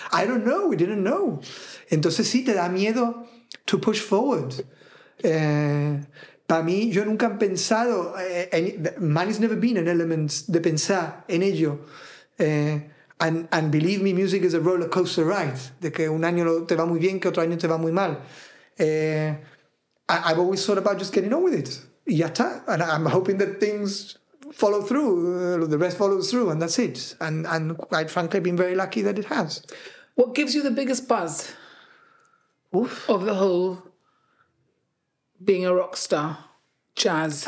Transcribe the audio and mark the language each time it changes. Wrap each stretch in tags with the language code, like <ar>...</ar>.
<en>I don't know. We didn't know.</en> <es>Entonces, sí, te da miedo</es> <en>to push forward.</en> <es>Para mí, yo nunca he pensado...</es> <en>man has never been an element</en> <es>de pensar en ello.</es> <en>And believe me, music is a roller coaster ride.</en> <es>De que un año te va muy bien, que otro año te va muy mal.</es> <en>I've always thought about just getting on with it.</en> <es>Y ya está.</es> <en>And I'm hoping that things follow through, the rest follows through, and that's it. And quite frankly, I've been very lucky that it has. What gives you the biggest buzz of the whole being a rock star, jazz?</en>